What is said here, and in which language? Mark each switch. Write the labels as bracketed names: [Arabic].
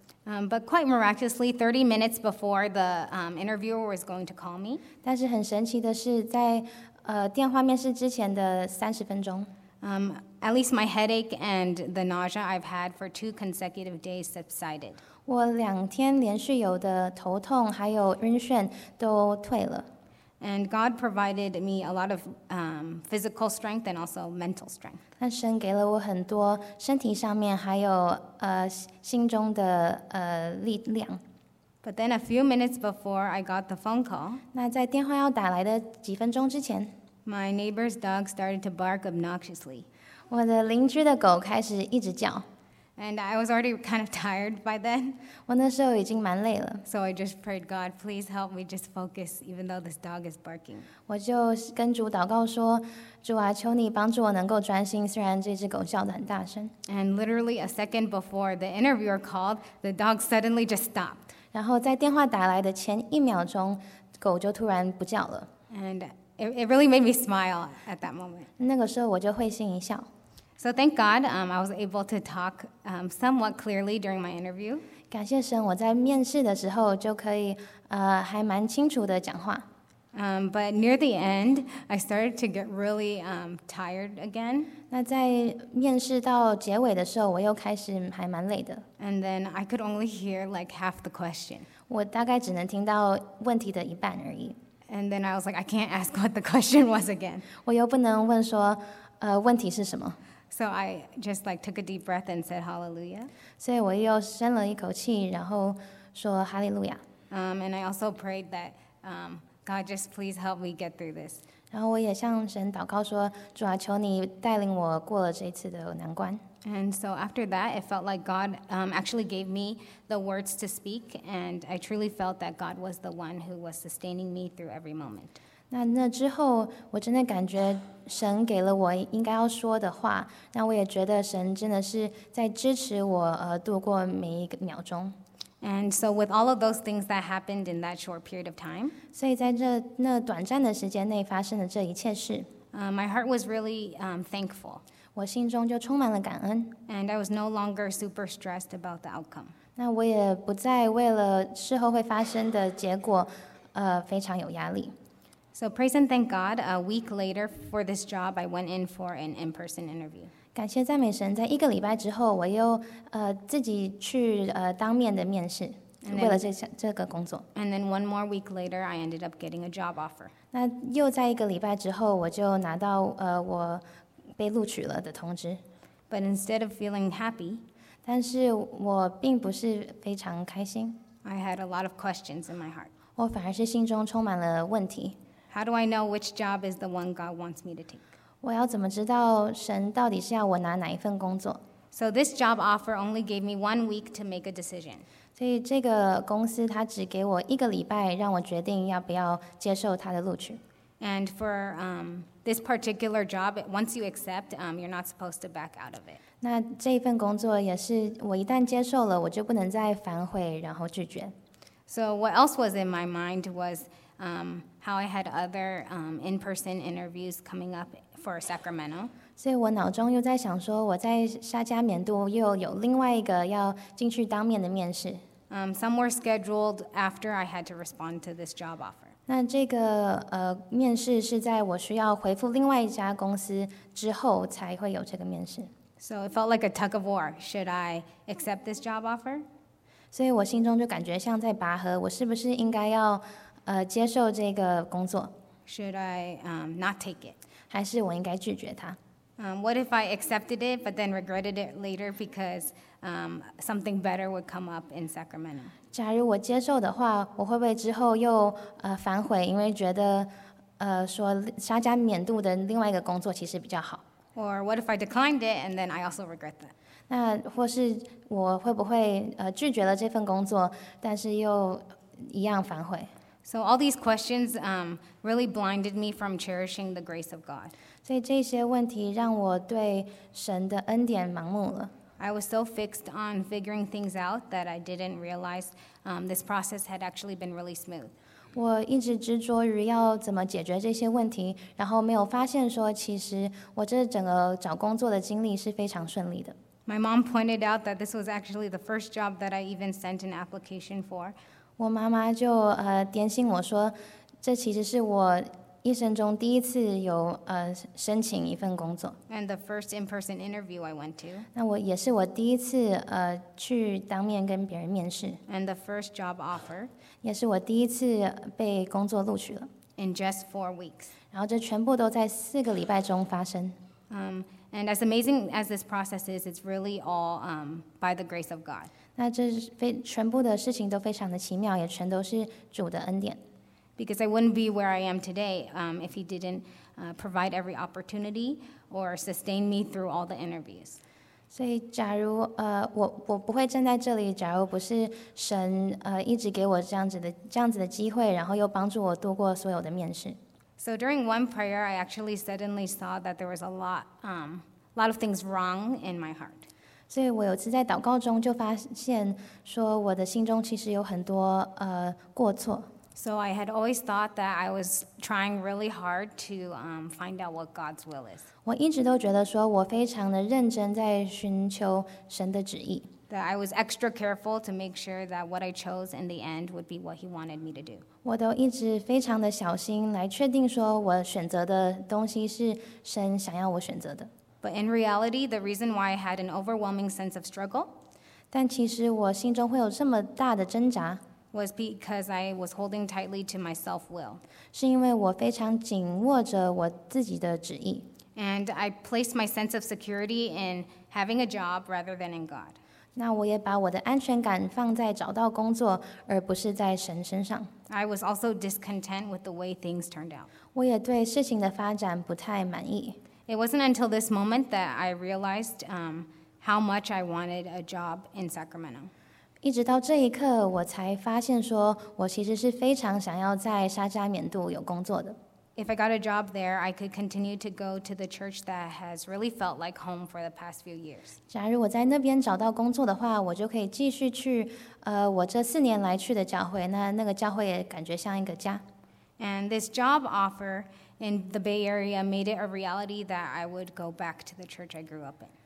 [English] But quite miraculously, 30 minutes before the interviewer was going to call me. [Chinese] 但是很神奇的是，在电话面试之前的30分钟。 [English] At least my headache and the nausea I've had for 2 consecutive days subsided. [Chinese] 我两天连续有的头痛还有晕眩都退了。 [English] And God provided me a lot of physical strength and also mental strength. [Chinese] 但神给了我很多身体上面还有心中的力量。 [English] But then a few minutes before I got the phone call, [Chinese] 那在电话要打来的几分钟之前 [English] my neighbor's dog started to bark obnoxiously. [Chinese] 我的邻居的狗开始一直叫 [English] ，and I was already kind of tired by then. [Chinese] 我那时候已经蛮累了 [English] ，so I just prayed, God, please help me just focus, even though this dog is barking. [Chinese] 我就跟主祷告说，主啊，求你帮助我能够专心，虽然这只狗叫得很大声。 [English] And literally a second before the interviewer called, the dog suddenly just stopped. [Chinese] 然后在电话打来的前一秒钟，狗就突然不叫了。 [English] And it really made me smile at that moment. [Chinese] 那个时候我就会心一笑。 [English] So thank God, I was able to talk somewhat clearly during my interview. [Chinese] 感谢神，我在面试的时候就可以还蛮清楚的讲话。 [English] But near the end, I started to get really tired again. [Chinese] 那在面试到结尾的时候，我又开始还蛮累的。 [English] And then I could only hear like half the question. [Chinese] 我大概只能听到问题的一半而已。 [English] And then I was like, I can't ask what the question was again. [Chinese] 我又不能问说，问题是什么。 [English] So I just like took a deep breath and said hallelujah. [Chinese] 所以我又深了一口气，然后说哈利路亚。 [English] And I also prayed that God just please help me get through this. [Chinese] 然后我也向神祷告说，主啊，求你带领我过了这次的难关。 [English] And so after that, it felt like God actually gave me the words to speak, and I truly felt that God was the one who was sustaining me through every moment. [Chinese] 那之后，我真的感觉神给了我应该要说的话，那我也觉得神真的是在支持我度过每一个秒钟。 [English] And so with all of those things that happened in that short period of time, [Chinese] 所以在这那短暂的时间内发生的这一切事 [English] my heart was really thankful. [Chinese] 我心中就充满了感恩。 [English] And I was no longer super stressed about the outcome. [Chinese] 那我也不再为了事后会发生的结果非常有压力。 [English] So praise and thank God, a week later for this job, I went in for an in-person interview. [Chinese] 感谢赞美神，在一个礼拜之后，我又自己去当面的面试，为了这个工作。 [English] And then one more week later, I ended up getting a job offer. [Chinese] 那又在一个礼拜之后，我就拿到我被录取了的通知。 [English] But instead of feeling happy, [Chinese] 但是我并不是非常开心。 [English] I had a lot of questions in my heart. [Chinese] 我反而是心中充满了问题。 [English] How do I know which job is the one God wants me to take? [Chinese] 我要怎么知道神到底是要我拿哪一份工作？ [English] So this job offer only gave me 1 week to make a decision. [Chinese] 所以这个公司它只给我一个礼拜让我决定要不要接受它的录取。 [English] And for this particular job, once you accept, you're not supposed to back out of it. [Chinese] 那这一份工作也是我一旦接受了，我就不能再反悔，然后拒绝。 [English] So what else was in my mind was how I had other in-person interviews coming up for Sacramento. [Chinese] 所以我脑中又在想说，我在沙加缅度又有另外一个要进去当面的面试。 [English] Some were scheduled after I had to respond to this job offer. [Chinese] 那这个面试是在我需要回复另外一家公司之后才会有这个面试。 [English] So it felt like a tug of war. Should I accept this job offer? [Chinese] 所以我心中就感觉像在拔河，我是不是应该要接受这个工作？ [English] Should I not take it? [Chinese] 还是我应该拒绝它？ [English] What if I accepted it but then regretted it later because something better would come up in Sacramento? [Chinese] 假如我接受的话，我会不会之后又反悔，因为觉得说沙加缅度的另外一个工作其实比较好。 [English] Or what if I declined it and then I also regret that? [Chinese] 那或是我会不会拒绝了这份工作，但是又一样反悔？ [English] So all these questions really blinded me from cherishing the grace of God. [Chinese] 所以这些问题让我对神的恩典盲目了。 [English] I was so fixed on figuring things out that I didn't realize this process had actually been really smooth. [Chinese] 我一直执着于要怎么解决这些问题，然后没有发现说其实我这整个找工作的经历是非常顺利的。 [English] My mom pointed out that this was actually the first job that I even sent an application for. [Chinese] 我妈妈就点醒我说，这其实是我一生中第一次有申请一份工作。 [English] And the first in-person interview I went to. [Chinese] 那我也是我第一次去当面跟别人面试。 [English] And the first job offer. [Chinese] 也是我第一次被工作录取了。 [English] In just 4 weeks. [Chinese] 然后这全部都在四个礼拜中发生。 [English] And as amazing as this process is, it's really all by the grace of God. [Chinese] 那这全部的事情都非常的奇妙，也全都是主的恩典。 [English] Because I wouldn't be where I am today if he didn't provide every opportunity or sustain me through all the interviews. [Chinese] 所以假如我不会站在这里，假如不是神一直给我这样子的机会，然后又帮助我度过所有的面试。 [English] So during one prayer, I actually suddenly saw that there was a lot of things wrong in my heart. [Chinese] 所以我有次在祷告中就发现说我的心中其实有很多过错。 [English] So I had always thought that I was trying really hard to find out what God's will is. [Chinese] 我一直都觉得说我非常的认真在寻求神的旨意。 [English] That I was extra careful to make sure that what I chose in the end would be what he wanted me to do. [Chinese] 我都一直非常的小心来确定说我选择的东西是神想要我选择的。 [English] But in reality, the reason why I had an overwhelming sense of struggle, [Chinese] 但其实我心中会有这么大的挣扎。 [English] Was because I was holding tightly to my self-will. [Chinese] 是因为我非常紧握着我自己的旨意。 [English] And I placed my sense of security in having a job rather than in God. [Chinese] 那我也把我的安全感放在找到工作，而不是在神身上。 [English] I was also discontent with the way things turned out. [Chinese] 我也对事情的发展不太满意。 [English] It wasn't until this moment that I realized how much I wanted a job in Sacramento. [Chinese] 一直到这一刻，我才发现说，我其实是非常想要在沙加缅度有工作的。 [English] If I got a job there, I could continue to go to the church that has really felt like home for the past few years. [Chinese] 假如我在那边找到工作的话，我就可以继续去，我这四年来去的教会，那个教会也感觉像一个家。 [English] And this job offer in the Bay Area made it a reality that I would go back to the church I grew up in.